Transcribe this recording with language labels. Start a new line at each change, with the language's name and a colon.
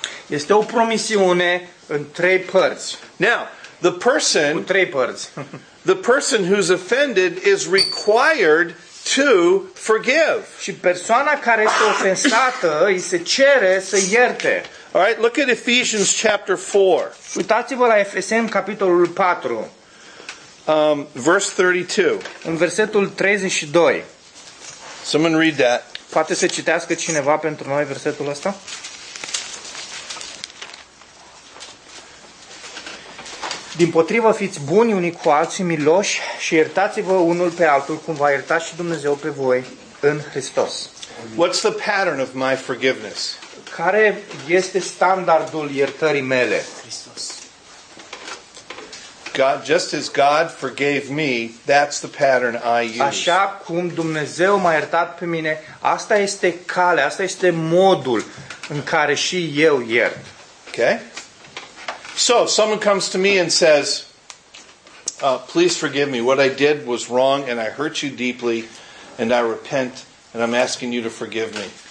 Romanian: Este o promisiune în trei părți.
English: Now, the person
Romanian: cu trei părți.
English: The person who's offended is required to forgive.
Romanian: Și persoana care este ofensată îi se cere să ierte.
English: All right, look at Ephesians chapter 4.
Romanian: Uitați-vă la Efeseni capitolul 4.
English: Verse 32.
Romanian: În versetul 32.
English: Someone read that.
Romanian: Poate să citească cineva pentru noi versetul ăsta? Dimpotrivă fiți buni unii cu alții, miloși și iertați-vă unul pe altul cum v-a iertat și Dumnezeu pe voi în Hristos.
English: What's the pattern of my forgiveness?
Romanian: Care este standardul iertării mele? Hristos.
English: God, just as God forgave me, that's the pattern I use.
Romanian: Așa cum Dumnezeu m-a iertat pe mine, asta este calea, asta este modul în care și eu iert.
English: Okay? So, someone comes to me and says, please forgive me. What I did was wrong and I hurt you deeply and I repent and I'm asking you to forgive me.